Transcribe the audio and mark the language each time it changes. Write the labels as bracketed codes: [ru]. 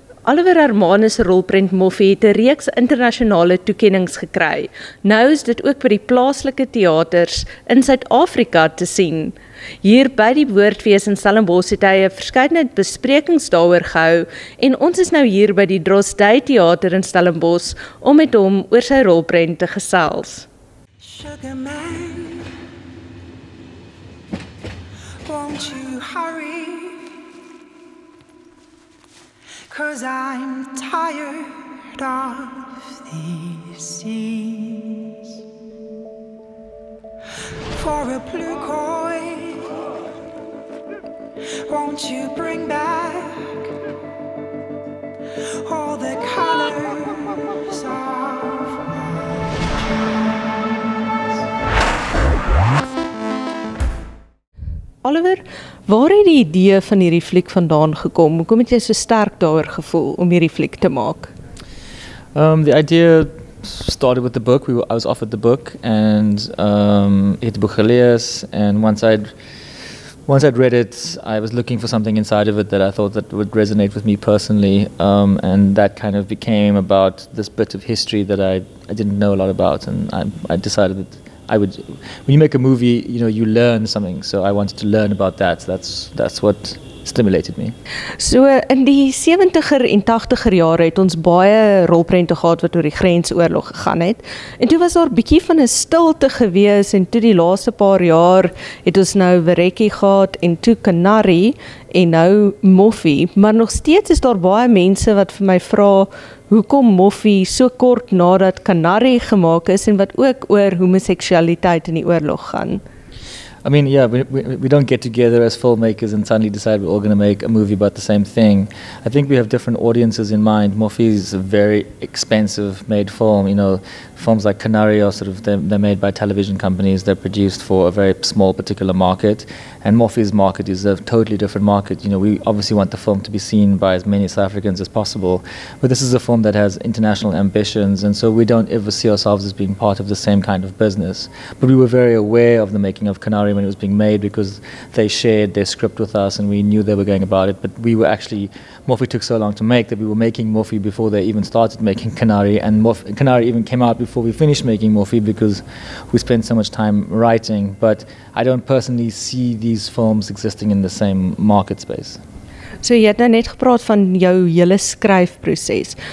[af] Oliver Hermanus' rolprent Moffie het een reeks internationale toekennings gekry. Nou is dit ook by die plaaslike theaters in Suid-Afrika te sien. Hier by die Woordfees in Stellenbosch het hy 'n verskeidenheid besprekings daaroor gehou en ons is nou hier by die Drosdy Theater in Stellenbosch om met hom oor sy rolprent te gesels. [en] Sugar man, won't you hurry? 'Cause I'm tired of these scenes. For a blue coin, won't you bring back all the colors of my dreams? [af] Oliver, waar het die idee van hierdie fliek vandaan gekom? Hoekom het jy so sterk daaroor gevoel om hierdie fliek te maak? [en] The idea started with the book. I was offered the book and [af] het die boek gelees. [en] And once I'd read it, I was looking for something inside of it that I thought that would resonate with me personally. And that kind of became about this bit of history that I didn't know a lot about. And I decided that I would, when you make a movie, you know, you learn something. So I wanted to learn about that. So that's what stimulated me. [af] So in die 70er en 80er jare het ons baie rolprente gehad wat oor die grensoorlog gegaan het. En toe was daar bietjie van 'n stilte gewees en toe die laaste paar jaar het ons nou Verrekkie gehad en toe Canary en nou Moffie. Maar nog steeds is daar baie mense wat vir my vra hoekom Moffie so kort nadat Canary gemaak is en wat ook oor homoseksualiteit in die oorlog gaan. [en] I mean, yeah, we don't get together as filmmakers and suddenly decide we're all going to make a movie about the same thing. I think we have different audiences in mind. Moffie is a very expensive made film. You know, films like Canary are sort of, they're made by television companies. They're produced for a very small particular market. And Moffie's market is a totally different market. You know, we obviously want the film to be seen by as many South Africans as possible. But this is a film that has international ambitions. And so we don't ever see ourselves as being part of the same kind of business. But we were very aware of the making of Canary when it was being made because they shared their script with us and we knew they were going about it, but we were actually, Moffie took so long to make that we were making Moffie before they even started making Canary, and Canary even came out before we finished making Moffie because we spent so much time writing. But I don't personally see these films existing in the same market space. [af] So jy het nou net gepraat van jou hele skryfproses.